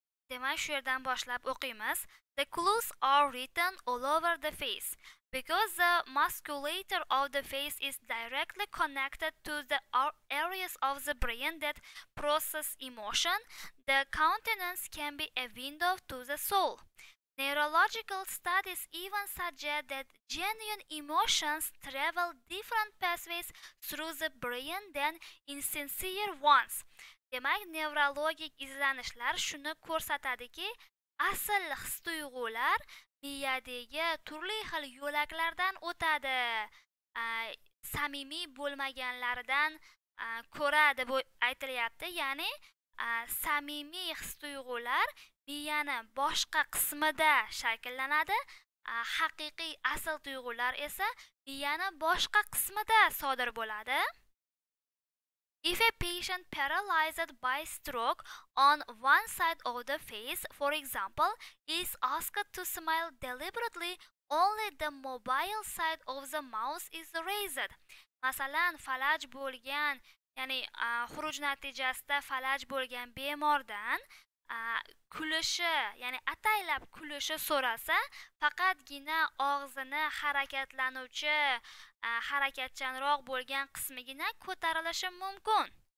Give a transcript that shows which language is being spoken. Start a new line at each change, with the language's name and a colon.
Uzbek: Demak, shu yerdan boshlab o'qiymiz.
English: The clues are written all over the face because the musculature of the face is directly connected to the areas of the brain that process emotion. The countenance can be a window to the soul. Neurological studies even suggest that genuine emotions travel different pathways through the brain than insincere ones.
Uzbek: Demak, neurologik izlanishlar shuni ko'rsatadiki, asl his-tuyg'ular miyadagi turli xil yo'laklardan o'tadi. Samimiy bo'lmaganlaridan ko'ra deb aytilyapti, ya'ni samimiy his-tuyg'ular miyaning boshqa qismida shakllanadi, haqiqiy asl tuyg'ular esa miyaning boshqa qismida sodir bo'ladi.
English: If a patient paralyzed by stroke on one side of the face, for example, is asked to smile deliberately, only the mobile side of the mouth is raised.
Uzbek: Masalan, falaj bo'lgan, ya'ni xuruj natijasida falaj bo'lgan bemordan kulishi, ya'ni ataylab kulishi so'rasa, faqatgina og'zini harakatlanuvchi, harakatchanroq bo'lgan qismigina ko'tarilishi mumkin.